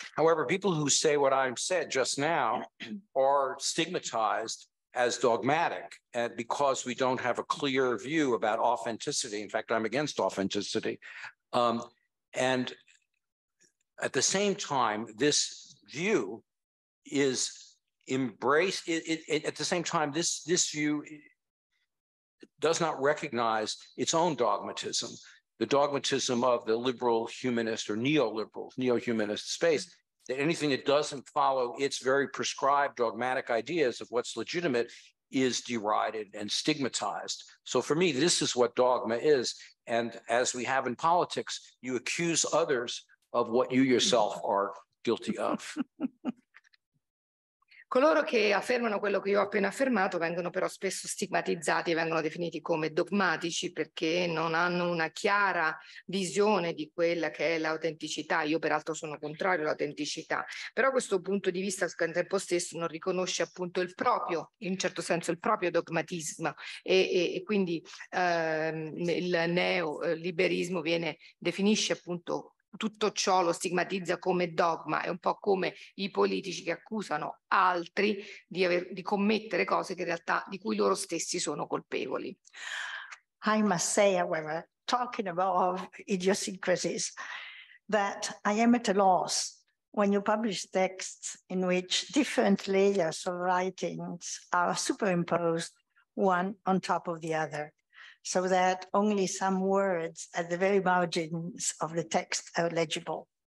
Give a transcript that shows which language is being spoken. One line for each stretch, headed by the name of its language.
English: However, people who say what I've said just now are stigmatized as dogmatic because we don't have a clear view about authenticity. In fact, I'm against authenticity. And at the same time, this view is embraced, this view does not recognize its own dogmatism. The dogmatism of the liberal humanist or neo-humanist space, that anything that doesn't follow its very prescribed dogmatic ideas of what's legitimate is derided and stigmatized. So for me, this is what dogma is. And as we have in politics, you accuse others of what you yourself are guilty of.
Italian: Coloro che affermano quello che io ho appena affermato vengono però spesso stigmatizzati e vengono definiti come dogmatici perché non hanno una chiara visione di quella che è l'autenticità. Io peraltro sono contrario all'autenticità, però questo punto di vista al tempo stesso non riconosce appunto il proprio, in certo senso il proprio dogmatismo e quindi il neoliberismo definisce appunto tutto ciò, lo stigmatizza come dogma, è un po' come i politici che accusano altri di commettere cose che in realtà di cui loro stessi sono colpevoli.
English: I must say, however, talking about idiosyncrasies, that I am at a loss when you publish texts in which different layers of writings are superimposed one on top of the other, so that only some words at the very margins of the text are legible.